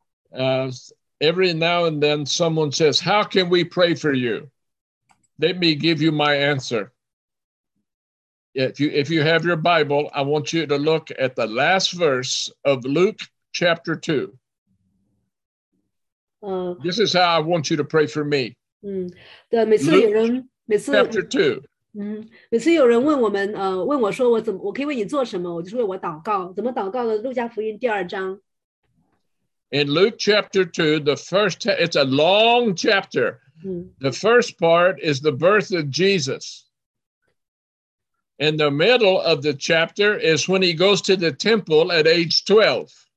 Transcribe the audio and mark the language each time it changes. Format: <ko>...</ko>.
<en>Every now and then someone says, how can we pray for you? Let me give you my answer. If you have your Bible, I want you to look at the last verse of Luke chapter 2. This is how I want you to pray for me. Chapter 2.</en> <zh>每次有人问我说我可以为你做什么，我就为我祷告，怎么祷告呢？路加福音第二章。</zh> <en>In Luke chapter 2, the first, it's a long chapter. The first part is the birth of Jesus. In the middle of the chapter is when he goes to the temple at age 12.</en>